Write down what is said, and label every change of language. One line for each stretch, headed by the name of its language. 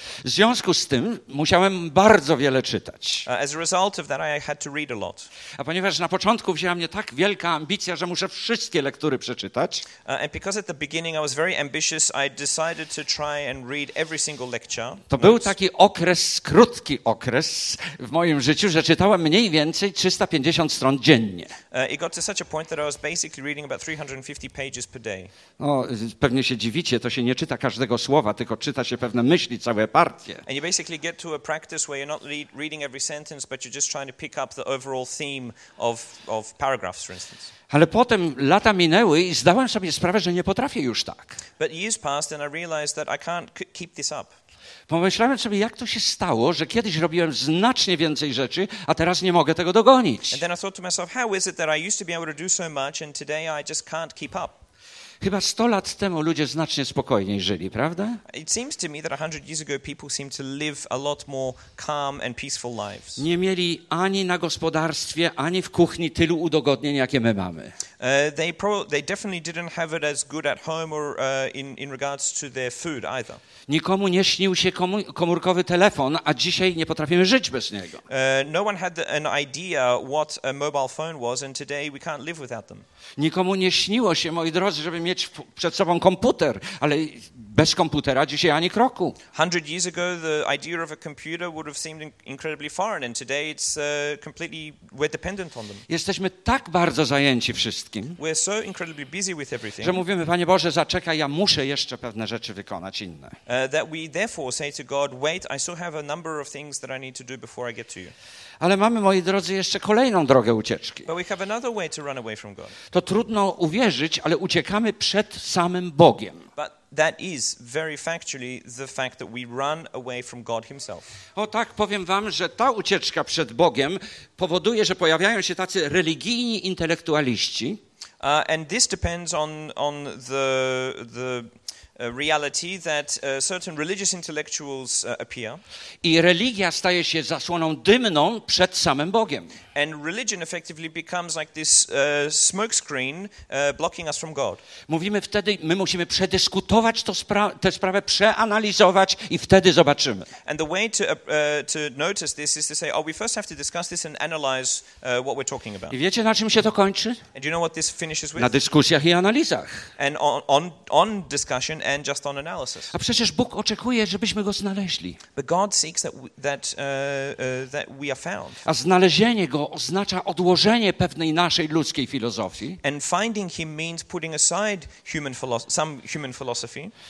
Polish: W związku z tym musiałem bardzo wiele czytać.
English: As a result of that, I had to read a lot.
Polish: A ponieważ na początku wzięła mnie tak wielka ambicja, że muszę wszystkie lektury przeczytać.
English: And because at the beginning I was very ambitious, I decided to try and read every single lecture.
Polish: To był taki okres, krótki okres w moim życiu, że czytałem mniej więcej 350 stron dziennie.
English: It got to such a point that I was basically reading about 350 pages per day.
Polish: No, pewnie się dziwicie, to się nie czyta każdego słowa, tylko czyta się pewne myśli, całe partie.
English: And you basically get to a practice where you're not reading every sentence, but you're just trying to pick up the overall theme of paragraphs, for instance.
Polish: Ale potem lata minęły i zdałem sobie sprawę, że nie potrafię już tak.
English: But years passed and I realized that I can't keep this up.
Polish: Pomyślałem sobie, jak to się stało, że kiedyś robiłem znacznie więcej rzeczy, a teraz nie mogę tego dogonić.
English: And then I thought to myself, how is it that I used to be able to do so much and today I just can't keep up?
Polish: Chyba 100 lat temu ludzie znacznie spokojniej żyli, prawda?
English: It seems to me that 100 years ago people seemed to live a lot more calm and peaceful lives.
Polish: Nie mieli ani na gospodarstwie, ani w kuchni tylu udogodnień, jakie my mamy.
English: They definitely didn't have it as good at home or in regards to their food either.
Polish: Nikomu nie śnił się komórkowy telefon, a dzisiaj nie potrafimy żyć bez niego.
English: No one had an idea what a mobile phone was and today we can't live without them.
Polish: Nikomu nie śniło się, moi drodzy, żeby mieć przed sobą komputer, ale bez komputera dzisiaj ani kroku.
English: 100 years ago the idea of a computer would have seemed incredibly foreign and today it's completely we're dependent on them.
Polish: Jesteśmy tak bardzo zajęci wszystkim,
English: we're so incredibly busy with everything,
Polish: że mówimy, Panie Boże, zaczekaj, ja muszę jeszcze pewne rzeczy wykonać inne.
English: That we therefore say to God, wait, I still have a number of things that I need to do before I get to you.
Polish: Ale mamy, moi drodzy, jeszcze kolejną drogę ucieczki.
English: But we have another way to run away from God.
Polish: To trudno uwierzyć, ale uciekamy przed samym Bogiem.
English: But that is very factually the fact that we run away from God himself.
Polish: O tak, powiem wam, że ta ucieczka przed Bogiem powoduje, że pojawiają się tacy religijni intelektualiści.
English: And this depends on the reality that certain religious intellectuals appear.
Polish: I religia staje się zasłoną dymną przed samym Bogiem.
English: And religion effectively becomes like this smoke screen blocking us from God.
Polish: Mówimy wtedy, my musimy przedyskutować tę sprawę, przeanalizować i wtedy zobaczymy.
English: And the way to notice this is to say, oh, we first have to discuss this and analyze what we're talking about.
Polish: I wiecie, na czym się to kończy?
English: And you know what this finishes with?
Polish: Na dyskusjach i analizach.
English: And on discussion and just on analysis.
Polish: A przecież Bóg oczekuje, żebyśmy go znaleźli.
English: But God seeks that we are found.
Polish: A znalezienie go oznacza odłożenie pewnej naszej ludzkiej filozofii.
English: And finding him means putting aside some human philosophy.